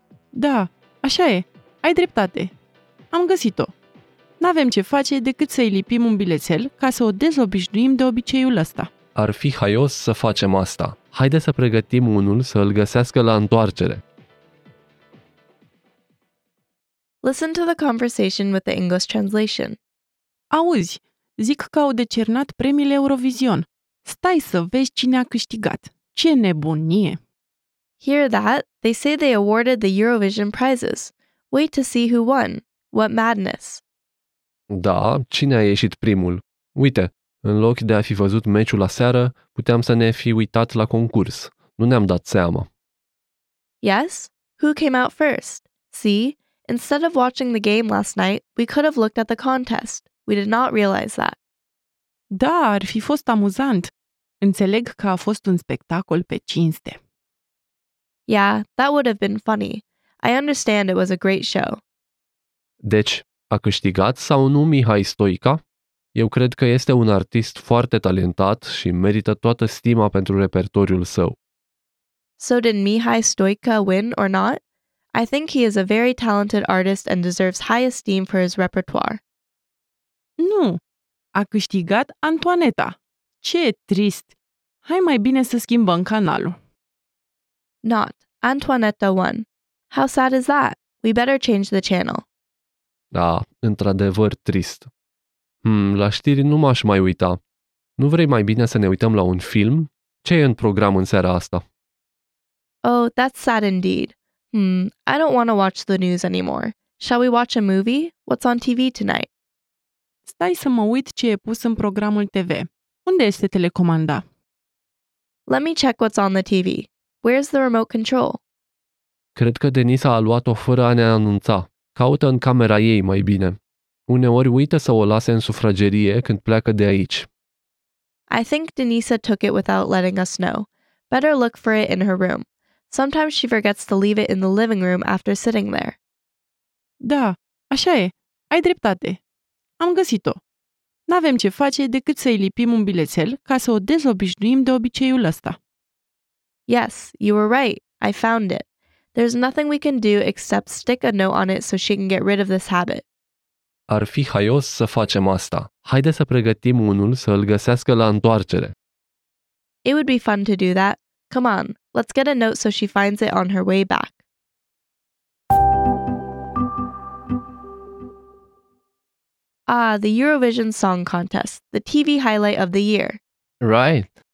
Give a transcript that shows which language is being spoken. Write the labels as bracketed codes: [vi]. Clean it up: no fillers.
[ro] Da, așa e. Ai dreptate. Am găsit-o. N-avem ce face decât să-i lipim un bilețel ca să o dezobișnuim de obiceiul ăsta. Ar fi haios să facem asta. Haide să pregătim unul să îl găsească la întoarcere. [en] Listen to the conversation with the English translation. [ro] Auzi, zic că au decernat premiile Eurovision. Stai să vezi cine a câștigat. Ce nebunie! [en] Hear that? They say they awarded the Eurovision prizes. Wait to see who won. What madness! [ro] Da, cine a ieșit primul? Uite, în loc de a fi văzut meciul aseară, puteam să ne fi uitat la concurs. Nu ne-am dat seama. [en] Yes? Who came out first? See? Instead of watching the game last night, we could have looked at the contest. We did not realize that. [ro] Da, ar fi fost amuzant. Înțeleg că a fost un spectacol pe cinste. [en] Yeah, that would have been funny. I understand it was a great show. [ro] Deci, a câștigat sau nu Mihai Stoica? Eu cred că este un artist foarte talentat și merită toată stima pentru repertoriul său. [en] So did Mihai Stoica win or not? I think he is a very talented artist and deserves high esteem for his repertoire. [ro] Nu, a câștigat Antoaneta. Ce trist! Hai mai bine să schimbăm canalul. [en] Not, Antoaneta won. How sad is that? We better change the channel. [ro] Da, într-adevăr trist. La știri nu m-aș mai uita. Nu vrei mai bine să ne uităm la un film? Ce e în program în seara asta? [en] Oh, that's sad indeed. I don't want to watch the news anymore. Shall we watch a movie? What's on TV tonight? [ro] Stai să mă uit ce e pus în programul TV. Unde este telecomanda? [en] Let me check what's on the TV. Where's the remote control? [ro] Cred că Denisa a luat-o fără a ne anunța. Caută în camera ei mai bine. Uneori uită să o lase în sufragerie când pleacă de aici. [en] I think Denisa took it without letting us know. Better look for it in her room. Sometimes she forgets to leave it in the living room after sitting there. [ro] Da, așa e. Ai dreptate. Am găsit-o. N-avem ce face decât să-i lipim un bilețel ca să o dezobișnuim de obiceiul ăsta. [en] Yes, you were right. I found it. There's nothing we can do except stick a note on it so she can get rid of this habit. [ro] Ar fi haios să facem asta. Haide să pregătim unul să îl găsească la întoarcere. [en] It would be fun to do that. Come on, let's get a note so she finds it on her way back. Ah, the Eurovision Song Contest, the TV highlight of the year. Right.